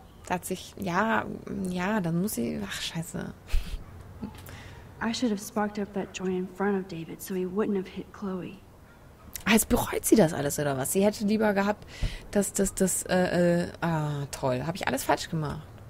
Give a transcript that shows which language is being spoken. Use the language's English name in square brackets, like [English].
[German] Hat sich, ja, ja, dann muss sie, ach, scheiße. [English] I should have sparked up that joy in front of David, so he wouldn't have hit Chloe. [German] Als bereut sie das alles, oder was? Sie hätte lieber gehabt, toll, habe ich alles falsch gemacht.